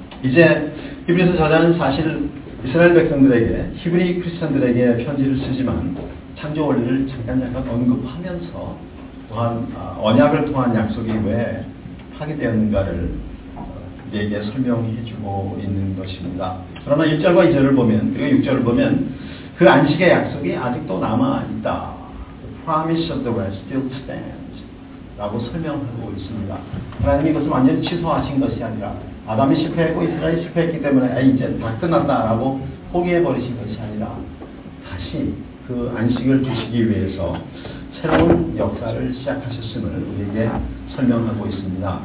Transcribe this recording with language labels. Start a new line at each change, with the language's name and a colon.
Korean: 이제 히브리서 저자는 사실 이스라엘 백성들에게 히브리 크리스천들에게 편지를 쓰지만 창조 원리를 잠깐 언급하면서 또한 언약을 통한 약속이 왜 파괴되었는가를 그들에게 설명해주고 있는 것입니다. 그러나 1절과 2절을 보면 그리고 6절을 보면 그 안식의 약속이 아직도 남아있다.
English: The promise of the rest still stands.
Korean: 라고 설명하고 있습니다. 하나님이 그것을 완전히 취소하신 것이 아니라 아담이 실패했고 이스라엘이 실패했기 때문에 이제 다 끝났다 라고 포기해버리신 것이 아니라 다시 그 안식을 주시기 위해서 새로운 역사를 시작하셨음을 우리에게 설명하고 있습니다.